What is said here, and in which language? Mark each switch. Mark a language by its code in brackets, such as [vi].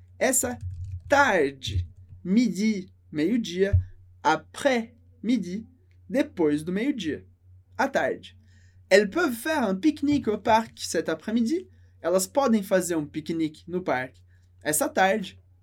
[pt] Essa tarde, midi, meio-dia, après-midi, depois do meio-dia, à tarde. [fr] Elles peuvent faire un pique-nique au parc cet après-midi? [pt] Elas podem fazer um piquenique no parque essa tarde?